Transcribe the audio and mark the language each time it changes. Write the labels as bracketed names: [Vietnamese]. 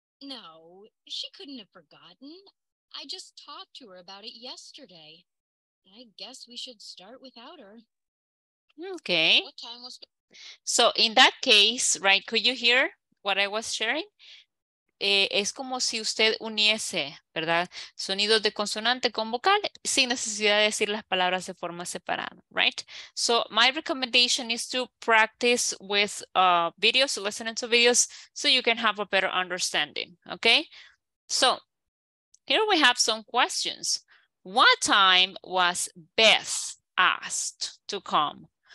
[English] No, she couldn't have forgotten. I just talked to her about it yesterday. I guess we should start without her. Okay. What time was... So in that case, right, could you hear what I was sharing? [Spanish] Es como si usted uniese, ¿verdad? Sonidos de consonante con vocal sin necesidad de decir las palabras de forma separada, right? [English] So my recommendation is to practice with videos, listening to videos, so you can have a better understanding, okay? So here we have some questions. What time was Beth asked to come?